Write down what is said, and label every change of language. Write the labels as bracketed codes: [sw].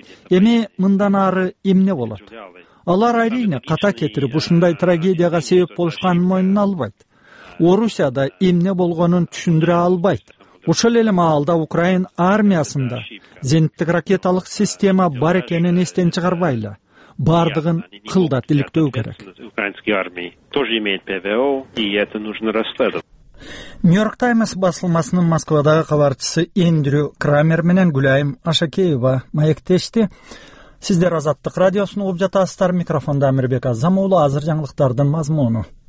[ky] Эми мындан ары эмне болот? Алар айрине ката кетирип ушундай трагедияга себеп болушканын мойнуна албайт. Орусияда эмне болгонун түшүндүрө албайт. Ошол эле маалда Украин армиясында зениттик ракеталык система бар экенин эстен чыгарбайлы. Бардыгын кылдат иликтөө керек. [ru] Украинский армия тоже имеет ПВО, и это нужно расследовать. [ky] Нью-Йорк Таймс басылмасынын Москвадагы кабарчысы Эндрю Крамер менен Гүлайым Ашакеева маектешти. Сиздер Азаттык радиосун угуп жатасыздар. Микрофондо Амирбек Азам уулу, азыр жаңылыктардын мазмуну.